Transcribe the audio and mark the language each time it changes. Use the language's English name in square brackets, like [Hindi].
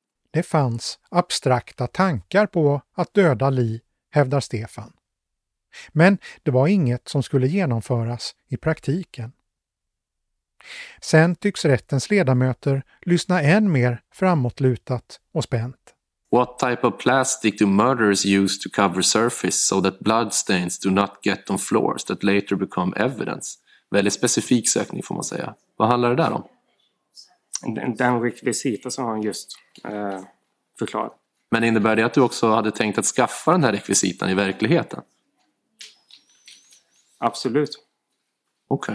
[Swedish] Det fanns abstrakta tankar på att döda Li, hävdar Stefan. Men det var inget som skulle genomföras i praktiken. Sen tycks rättens ledamöter lyssna än mer framåtlutat och spänt. [English] What type of plastic do murderers use to cover surface so that bloodstains do not get on floors that later become evidence? [Swedish] Väldigt specifik sökning får man säga. Vad handlar det där om? Den rekvisita som han just förklarade. Men innebär det att du också hade tänkt att skaffa den här rekvisitan i verkligheten? Absolut. Okej.